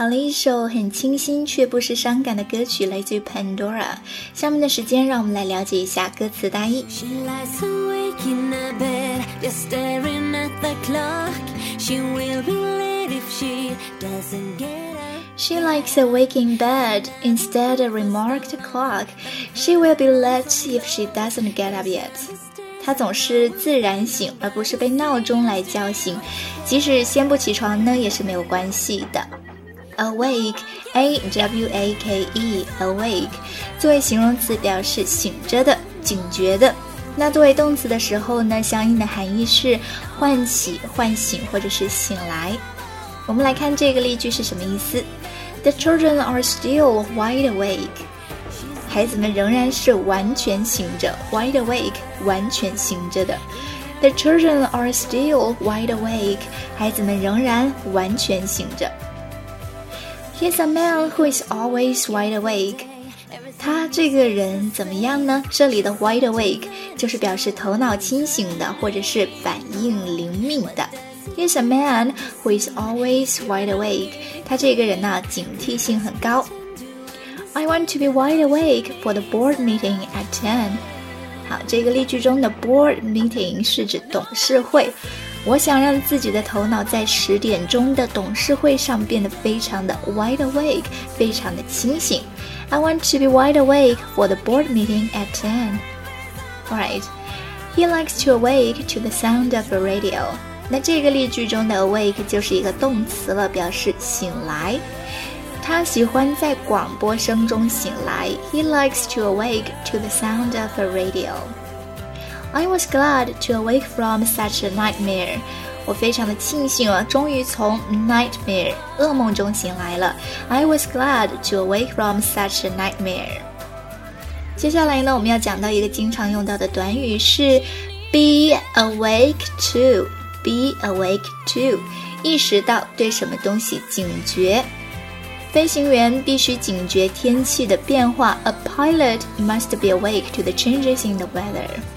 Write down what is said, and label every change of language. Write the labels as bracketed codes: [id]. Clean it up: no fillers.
[zh] 首很清新却不失伤感的歌曲，来自于 Pandora。下面的时间让我们来了解一下歌词大意。 [en] She lies awake in a bed, just staring at the clock. She will be late if she doesn't get up. She likes awake in bed, instead a remarked clock. She will be late if she doesn't get up yet. [zh] 她总是自然醒，而不是被闹钟来叫醒，即使先不起床呢也是没有关系的。 Awake, A-W-A-K-E, awake, 作为形容词表示醒着的、警觉的。那作为动词的时候呢，相应的含义是唤起、唤醒或者是醒来。我们来看这个例句是什么意思。 [en] The children are still wide awake. [zh] 孩子们仍然是完全醒着 wide awake 完全醒着的 [en] The children are still wide awake [zh] 孩子们仍然完全醒着 [en] He's a man who is always wide awake [zh] 他这个人怎么样呢这里的 wide awake 就是表示头脑清醒的或者是反应灵敏的He's a man who is always wide awake. 他这个人呢、啊，警惕性很高。 [en] I want to be wide awake for the board meeting at 10. [zh] 好，这个例句中的 board meeting 是指董事会。我想让自己的头脑在十点钟的董事会上变得非常的 wide awake, 非常的清醒。 [en] I want to be wide awake for the board meeting at 10. All right. He likes to awake to the sound of a radio. [zh] 那这个例句中的 awake 就是一个动词了，表示醒来。他喜欢在广播声中醒来。 [en] He likes to awake to the sound of a radio. I was glad to awake from such a nightmare. [zh] 我非常的庆幸啊，终于从 nightmare 噩梦中醒来了。 [en] I was glad to awake from such a nightmare. [zh] 接下来呢，我们要讲到一个经常用到的短语是 be awake to. [en] Be awake to [zh] 意识到对什么东西警觉飞行员必须警觉天气的变化 [en] A pilot must be awake to the changes in the weather